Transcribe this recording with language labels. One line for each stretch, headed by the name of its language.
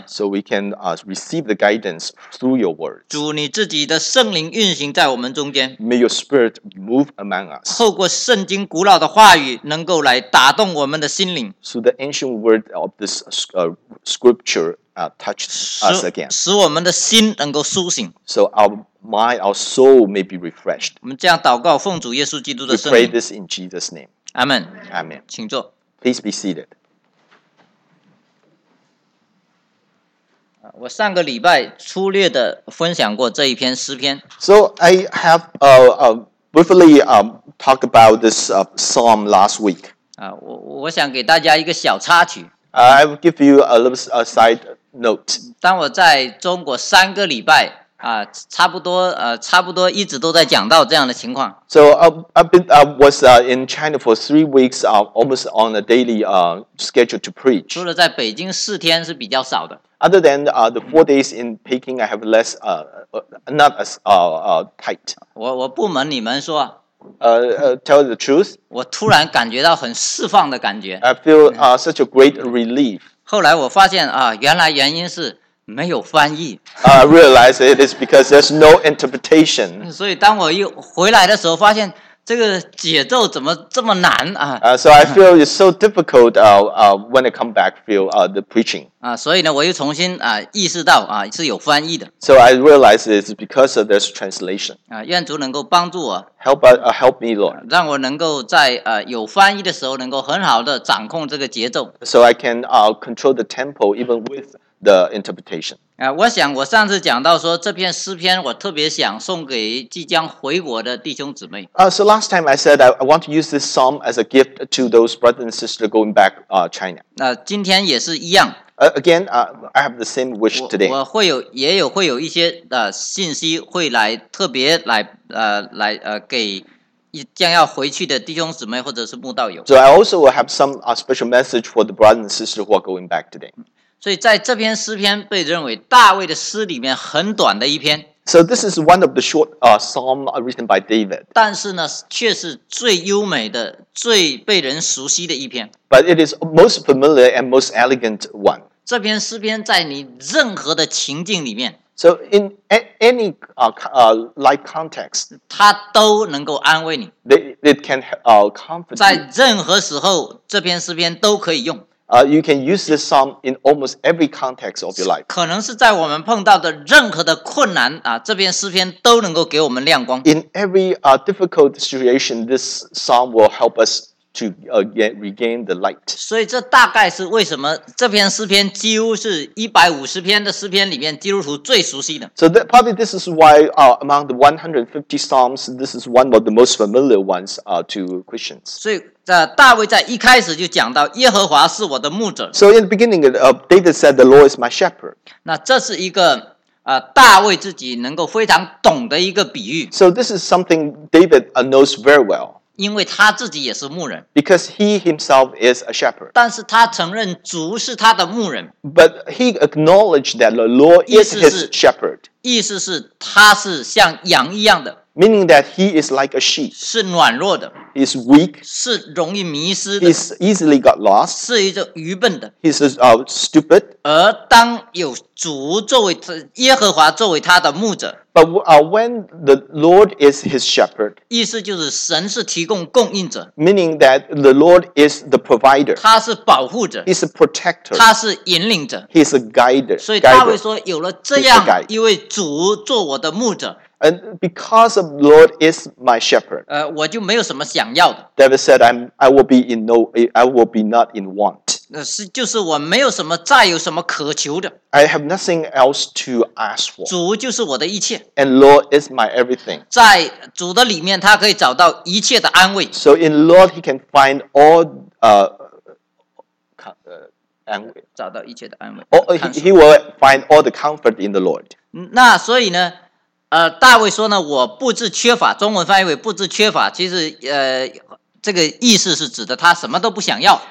English: So we can receive the guidance through your word.
Chinese: 主，你自己的圣灵运行在我们中间。
English: May your spirit move among us.
Chinese: 透过圣经古老的话语，能够来打动我们的心灵。
English: So the ancient word of this scripture touched us again.
Chinese: 使我们的心能够苏醒。
English: So our soul may be refreshed.
Chinese: 我们这样祷告，奉主耶稣基督的圣
English: 名。We pray this in Jesus' name. Amen. Amen.
Chinese: 请坐。
English: Please be seated.
Chinese: 我上个礼拜粗略的分享过这一篇诗篇。
English: So I have briefly talked about this psalm last week.
Chinese: 我想给大家一个小插曲。
English: I will give you a little side note.
Chinese: 当我在中国三个礼拜。差不多一直都在讲到这样的情况。
English: So I was in China for 3 weeks, almost on a daily schedule to preach.
Chinese: 除了在北京四天是比较少的。
English: Other than the 4 days in Peking, I have less not as tight.
Chinese: 我不瞒你们说。
English: Tell the truth.
Chinese: 我突然感觉到很释放的感觉。
English: I feel such a great relief.
Chinese: 后来我发现原来原因是。没有翻译。
English: I realize it is because there's no interpretation.
Chinese: 所以当我又回来的时候，发现这个节奏怎么这么难啊？
English: So I feel it's so difficult. When I come back, feel the preaching.
Chinese: 所以呢，我又重新意识到是有翻译的。
English: So I realize it's because of this translation.
Chinese: 愿主能够帮助我。
English: Help me, Lord.
Chinese: 让我能够在有翻译的时候，能够很好的掌控这个节奏。
English: So I can control the tempo even with the interpretation.
Chinese: 我想我上次讲到说这篇诗篇我特别想送给即将回国的弟兄姊妹。
English: So last time I said I want to use this psalm as a gift to those brothers and sisters going back China.
Chinese: 今天也是一样。
English: Again, I have the same wish today.
Chinese: 我会有一些信息会来特别来给将要回去的弟兄姊妹或者是慕道友。
English: So I also have some special message for the brothers and sisters who are going back today.
Chinese: 所以在这篇诗篇被认为大卫的诗里面很短的一篇。
English: So this is one of the short psalm written by David.
Chinese: 但是呢，却是最优美的、最被人熟悉的一篇。
English: But it is most familiar and most elegant one.
Chinese: 这篇诗篇在你任何的情境里面。
English: So in any life context,
Chinese: 它都能够安慰你。
English: It can comfort you.
Chinese: 在任何时候，这篇诗篇都可以用。
English: You can use this psalm in almost every context of your life.
Chinese: 可能是在我们碰到的任何的困难这篇诗篇都能够给我们亮光。
English: In every difficult situation, this psalm will help us to get regain the light.
Chinese: 所以这大概是为什么这篇诗篇几乎是150篇的诗篇里面基督徒最熟悉的。
English: So that probably this is why among the 150 psalms, this is one of the most familiar ones to Christians.
Chinese: 所以大卫在一开始就讲到耶和华是我的牧者。
English: So in the beginning, David said, "The Lord is my shepherd."
Chinese: 那这是一个大卫自己能够非常懂的一个比喻。
English: So this is something David knows very well.
Chinese: 因为他自己也是牧人。
English: Because he himself is a shepherd.
Chinese: 但是他承认主是他的牧人。
English: But he acknowledged that the Lord is his shepherd.
Chinese: 意思是他是像羊一样的。
English: Meaning that he is like a sheep.
Chinese: 是软弱的。
English: Is weak.
Chinese: 是容易迷失的。
English: Is easily got lost.
Chinese: 是一种愚笨的。
English: He is stupid.
Chinese: 而当有主作为耶和华作为他的牧者。
English: But when the Lord is his shepherd,
Chinese: 意思就是神是提供供应者。
English: Meaning that the Lord is the provider.
Chinese: 他是保护者。
English: He's a protector.
Chinese: 他是引领者。
English: He's a guider.
Chinese: 所以大卫说有了这样一位主做我的牧者。
English: And because of the Lord is my shepherd,
Chinese: 我就没有什么想要的。
English: David said, I will be not in want.
Chinese: 就是我没有什么再有什么可求的。
English: I have nothing else to ask for.
Chinese: 主就是我的一切。
English: And Lord is my everything.
Chinese: 在主的里面他可以找到一切的安慰。
English: So in Lord he can find all, 安慰。
Chinese: 找到一切的安慰。
English: He will find all the comfort in the Lord.
Chinese: 那所以呢大卫说呢我不知缺乏中文翻译为不知缺乏其实这个意思是指的他什么都不想要。